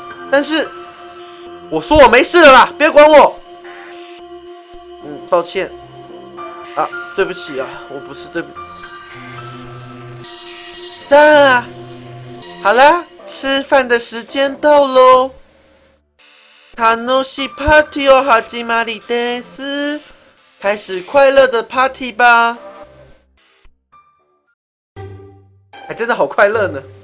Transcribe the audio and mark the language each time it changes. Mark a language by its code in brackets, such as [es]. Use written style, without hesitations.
[zh] 但是，我说我没事了啦，别管我。抱歉。啊，对不起啊，我不是对不起。三啊，好啦，吃饭的时间到咯。 [ja] 楽しいパーティーを始まりです。 [zh] 开始快乐的 party 吧。还真的好快乐呢。